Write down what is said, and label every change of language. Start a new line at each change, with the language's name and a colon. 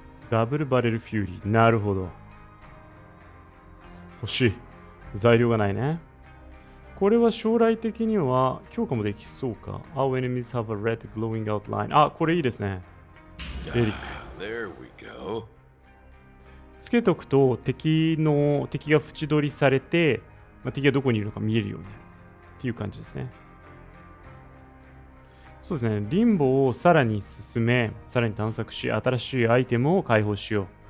Japanese: ダブルバレルフューリー。なるほど。欲しい。材料がないね。これは将来的には強化もできそうか。
English: Our enemies have a red glowing outline.
Japanese: あ、これいいですね。エリック。
English: There we go.
Japanese: つけとくと敵が縁取りされて、まあ、敵がどこにいるのか見えるようになる。っていう感じですね。そうですね。リンボをさらに進め、さらに探索し、新しいアイテムを解放しよう。